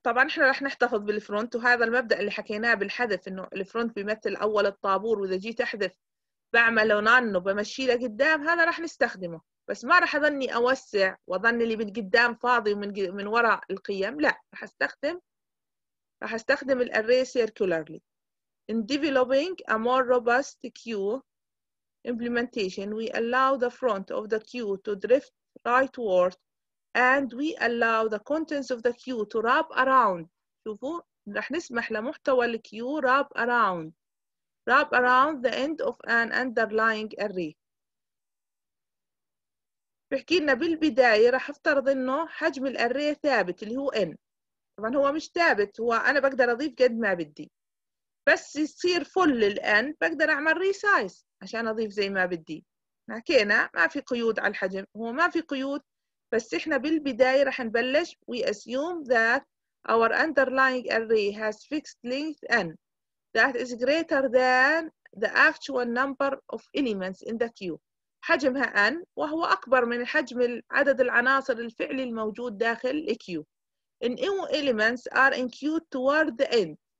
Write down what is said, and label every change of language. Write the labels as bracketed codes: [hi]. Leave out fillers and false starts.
[ar] طبعا احنا راح نحتفظ بالفرونت، وهذا المبدأ اللي حكيناه بالحذف، إنه الفرونت بيمثل أول الطابور، وإذا جيت أحذف بعمل نان وبمشي لقدام، هذا راح نستخدمه، بس ما راح اظني اوسع واظن اللي من قدام فاضي ومن وراء القيم، لا، راح استخدم الاري سيركولارلي. [en] In developing a more robust queue implementation we allow the front of the queue to drift rightward and we allow the contents of the queue to wrap around. [ar] شوفوا راح نسمح لمحتوى الكيو wrap around. [en] Wrap around the end of an underlying array. [ar] بحكي لنا بالبداية راح افترض انه حجم الاري ثابت اللي هو n. طبعا هو مش ثابت، هو انا بقدر اضيف قد ما بدي، بس يصير full الان بقدر اعمل resize عشان اضيف زي ما بدي. [en] حكينا ما في قيود على الحجم، هو ما في قيود، بس احنا بالبداية راح نبلش we assume that our underlying array has fixed length n that is greater than the actual number of elements in the queue. [ar] حجمها n وهو أكبر من حجم عدد العناصر الفعلي الموجود داخل الكيو. [en] In new elements are in queue toward the end.